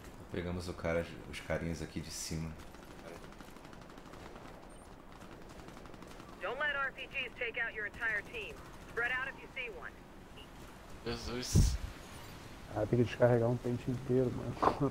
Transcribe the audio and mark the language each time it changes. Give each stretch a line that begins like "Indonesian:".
Portuguese: Pegamos o cara, os carinhas aqui de cima.
English: Don't let RPGs take out your entire team. Spread out if you see one.
Portuguese: Jesus. Ah, tem que descarregar um pente inteiro, mano.